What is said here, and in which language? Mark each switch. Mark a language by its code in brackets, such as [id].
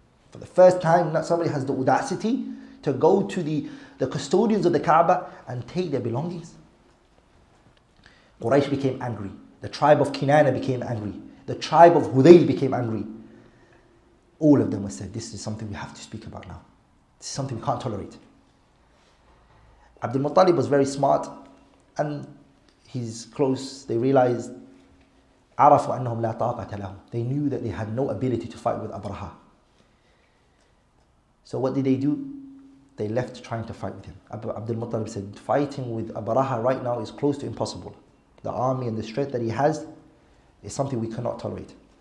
[en] For the first time, somebody has the audacity to go to the custodians of the Kaaba and take their belongings. Quraysh became angry. The tribe of Kinana became angry. The tribe of Hudayl became angry. All of them were said, this is something we have to speak about now. This is something we can't tolerate. Abdul Muttalib was very smart, and he's close. They realized, [ar] عَرَفُوا أَنَّهُمْ لَا طَاقَةَ لَهُمْ. [en] They knew that they had no ability to fight with Abraha. So what did they do? They left trying to fight with him. Abdul Muttalib said, fighting with Abraha right now is close to impossible. The army and the strength that he has is something we cannot tolerate.